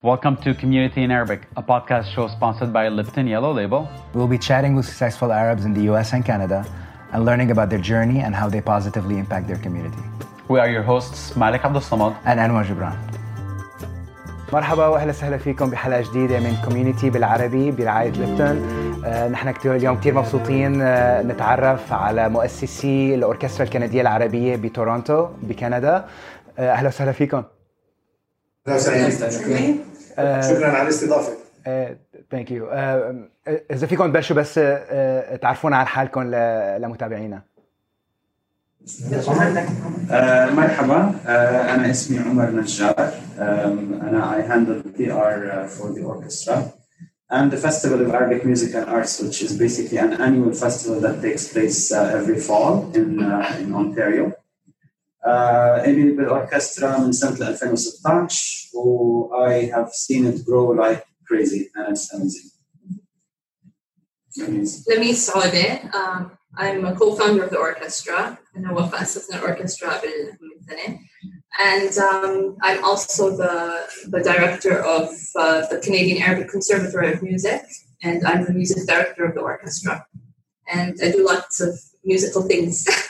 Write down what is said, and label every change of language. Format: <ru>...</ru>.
<en>Welcome to Community in Arabic, a podcast show sponsored by Lipton Yellow Label. We'll be chatting with successful Arabs in the US and Canada and learning about their journey and how they positively impact their community. We are your hosts, Malik Abdus-Samad and Anwar Jibran.</en> <ar>مرحبا واهلا وسهلا فيكم بحلقه جديده من كوميونيتي بالعربي برعايه ليبتون. نحن كثير اليوم كثير مبسوطين نتعرف على مؤسسي الاوركسترا الكنديه العربيه بتورونتو بكندا. اهلا وسهلا فيكم. اهلا وسهلا فيكم. شكرا على الاستضافه.</ar> <en>Thank you.</en> <ar>اذا فيكم تبلشوا بس تعرفونا عن حالكم لمتابعينا. مرحبا، انا اسمي عمر نجار. انا</ar> <en>I handle PR for the orchestra and the Festival of Arabic Music and Arts, which is basically an annual festival that takes place every fall in Ontario.</en> <ar>أنا بالأوركسترا من سنة 2016 و</ar> <en>I have seen it grow like crazy and it's amazing.</en> <ar>لميس عودة.</ar> <en>I'm a co-founder of the orchestra.</en> <ar>أنا وفاء أسسنا الأوركسترا من سنة.</ar> <en>And I'm also the director of the Canadian Arabic Conservatory of Music, and I'm the music director of the orchestra. And I do lots of musical things.</en>